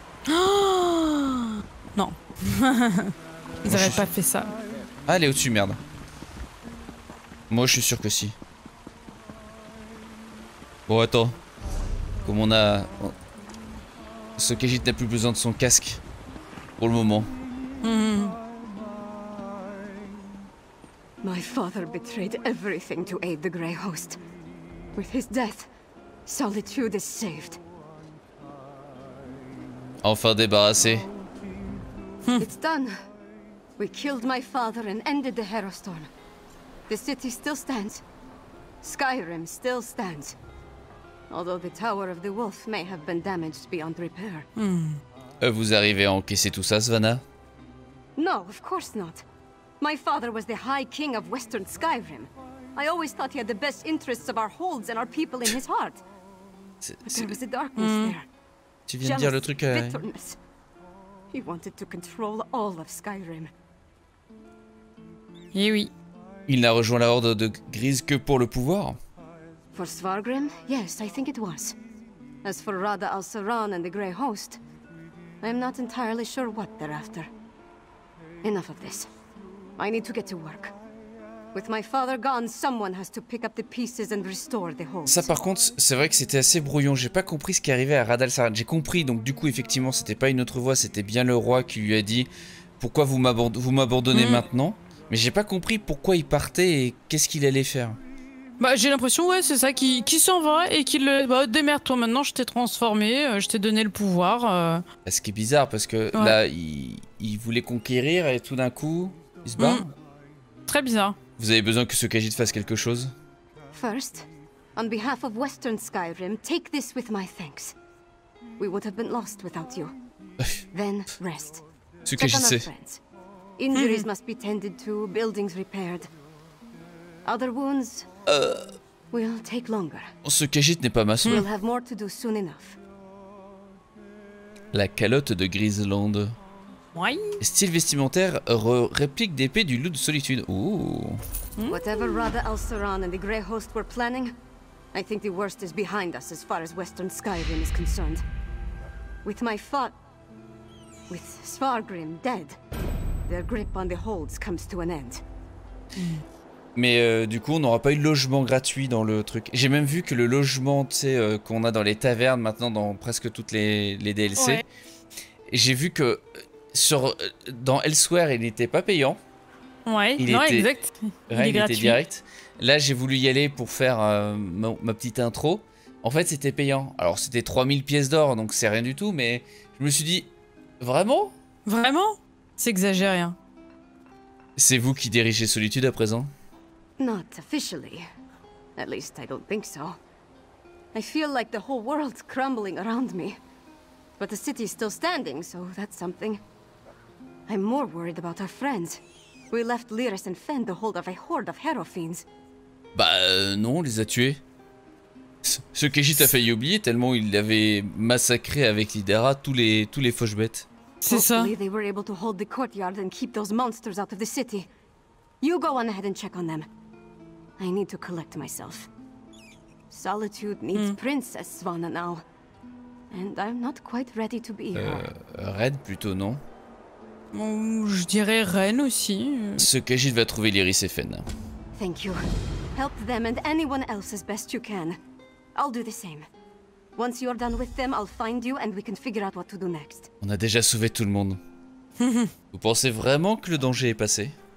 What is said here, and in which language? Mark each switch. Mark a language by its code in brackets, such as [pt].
[fr] Oh non. Ils n'auraient pas fait ça. Ah, elle est au-dessus, merde. Moi, je suis sûr que si. Bon, attends. Comme on a... Ce Kajit n'a plus besoin de son casque. Pour le moment. [en] My father betrayed everything to aid the Grey Host. With his death, solitude is saved. [fr] Enfin débarrassé. [en] It's done. We killed my father and ended the Harrowstorm. The city still stands. Skyrim still stands. Although the Tower of the Wolf may have been damaged beyond repair. [fr] Vous arrivez à encaisser tout ça, Svanna? [en] No, of course not. My father was the High King of Western Skyrim. I always thought he had the best interests of our holds and our people in his heart. There was a darkness there. [fr] Tu viens de dire le truc [en] bitterness. He wanted to control all of Skyrim. [fr] Eh oui. Il n'a rejoint la Horde de Grise que pour le pouvoir. [en] For Svargrim, yes, I think it was. As for Rada Al-Saran and the Grey Host, I am not entirely sure what they're after. Enough of this. I need to get to work. With my father gone, someone has to pick up the pieces and restore the host. [fr] Ça par contre, c'est vrai que c'était assez brouillon. J'ai pas compris ce qui arrivait à Rada Al-Saran. J'ai compris, donc du coup effectivement c'était pas une autre voix, c'était bien le roi qui lui a dit « Pourquoi vous m'abandonnez maintenant ?» Mais j'ai pas compris pourquoi il partait et qu'est-ce qu'il allait faire. Bah j'ai l'impression, ouais, c'est ça, qu'il s'en va et qu'il le... Bah démerde-toi maintenant, je t'ai transformé, je t'ai donné le pouvoir. Ce qui est bizarre parce que ouais. Là, il voulait conquérir et tout d'un coup... Il se bat. Très bizarre. Vous avez besoin que ce Khajiit fasse quelque chose. [en] First, on behalf of Western Skyrim, take this with my thanks. We would have been lost without you. Then rest. [fr] Ce Khajiit sait. [en] Injuries must be tended to, buildings repaired. Other wounds. We'll take longer. [fr] Ce Khajiit n'est pas maçon. [en] We'll have more to do soon enough. [fr] La calotte de Grisland. Style vestimentaire réplique d'épée du loup de solitude. Ouh. [en] Whatever Radha Alsaran and the Grey Host were planning, I think the worst is behind us as far as Western Skyrim is concerned. With my with Svargrim dead, their grip on the holds comes to an end. [fr] Mais du coup, on n'aura pas eu de logement gratuit dans le truc. J'ai même vu que le logement, tu sais, qu'on a dans les tavernes maintenant, dans presque toutes les DLC, ouais. J'ai vu que dans Elsewhere, il n'était pas payant. Ouais, il non, était, exact. Ouais, il était direct. Là, j'ai voulu y aller pour faire ma petite intro. En fait, c'était payant. Alors, c'était 3000 pièces d'or, donc c'est rien du tout, mais je me suis dit, vraiment? Vraiment? C'est exagéré. Hein. C'est vous qui dirigez Solitude à présent? [en] Not officially. At least I don't think so. I feel like the whole world's crumbling around me. But the city's still standing, so that's something. I'm more worried about our friends. We left Lyris and Fenn the hold of a horde of Harrow fiends. [fr] Bah non, on les a tués. Ce Khajiit a failli oublier tellement il avait massacré avec Lydera tous les fauches bêtes. C'est ça. [en] Hopefully they were able to hold the courtyard and keep those monsters out of the city. You go on ahead and check on them. I need to collect myself. Solitude needs Princess Svanna now. And I'm not quite ready to be here. [fr] Red plutôt, non? Je dirais Ren aussi. Ce Khajiit va trouver Lyris et Fenn. [en] Thank you. Help them and anyone else as best you can. I'll do the same. Once you're done with them, I'll find you and we can figure out what to do next. [fr] On a déjà sauvé tout le monde. Vous pensez vraiment que le danger est passé?